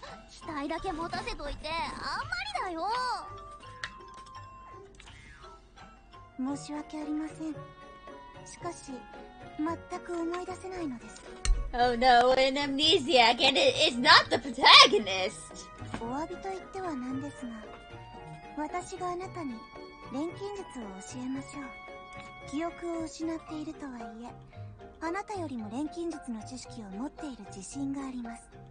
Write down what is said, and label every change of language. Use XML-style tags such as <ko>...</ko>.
<ja>期待だけ持たせといてあんまりだよ。申し訳ありません。しかし、全く思い出せないのです。</ja> <en>Oh no, an amnesiac, and it is not the protagonist!</en> <ja>お詫びと言ってはなんですが、私があなたに錬金術を教えましょう。記憶を失っているとはいえ、あなたよりも錬金術の知識を持っている自信があります。</ja>